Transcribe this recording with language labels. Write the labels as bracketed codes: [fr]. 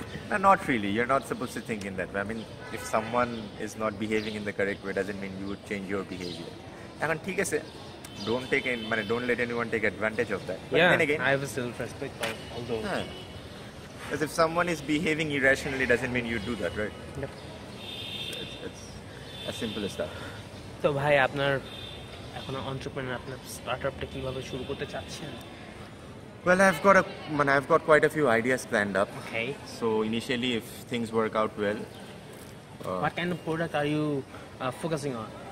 [bn] না [en] not really you're not supposed to think in that way. I mean if someone is not behaving in the correct way doesn't mean you would change your behavior [bn] এখন ঠিক আছে [en] don't take in মানে don't let anyone take advantage of that but yeah, then again I have a self respect although as if someone is behaving irrationally doesn't mean you do that right it's as simple as that [bn] তো ভাই আপনার এখন entrepreneur আপনার স্টার্টআপটা কিভাবে শুরু করতে চাচ্ছেন [en] Well, I've got quite a few ideas planned up. Okay. So initially, if things work out well. What kind of product are you focusing on?